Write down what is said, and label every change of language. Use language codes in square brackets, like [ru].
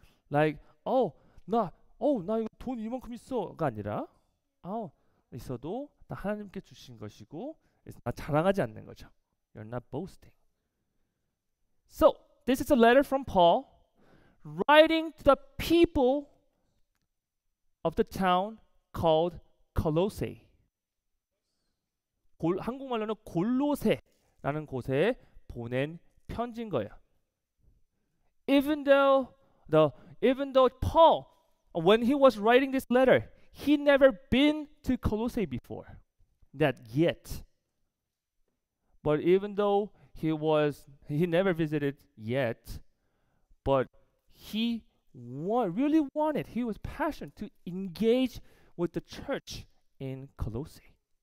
[ko] Like, "나 이거 돈 이만큼 있어."가 아니라 있어도 나 하나님께 주신 것이고 나 자랑하지 않는 거죠. [en] You're not boasting. So, this is a letter from Paul writing to the people of the town called Colossae. [ko] 한국말로는 골로새라는 곳에 보낸 편지인 거예요. [en] Even though Paul, when he was writing this letter, he never been to Colossae before. Not yet. But even though he never visited yet, but he really wanted, he was passionate to engage with the church in Colossae.